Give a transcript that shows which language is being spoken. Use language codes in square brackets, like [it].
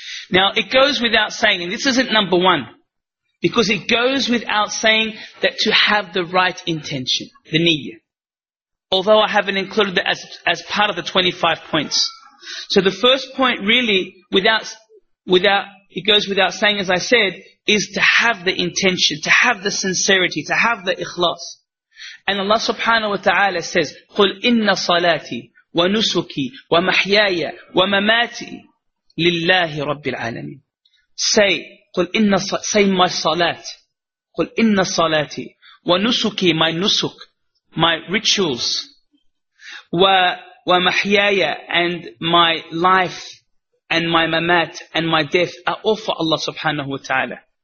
[en] Now, it goes without saying, and this isn't number one, because it goes without saying that to have the right intention, the niyyah. Although I haven't included that as part of the 25 points. So the first point really, it goes without saying, as I said, is to have the intention, to have the sincerity, to have the ikhlas. And Allah subhanahu wa ta'ala says, [ar] قُلْ إِنَّ صَلَاتِي وَنُسُكِي وَمَحْيَايَ وَمَمَاتِي لِلَّهِ رَبِّ الْعَالَمِينَ. [en] Say, [ar] قُلْ إِنَّ [en] say my salat, [ar] قُلْ إِنَّ صَلَاتِي وَنُسُكِي [en] my nusuk, my rituals, [ar] وَمَحْيَايَ [en] and my life, and my mamat and my death are all for Allah subhanahu wa ta'ala.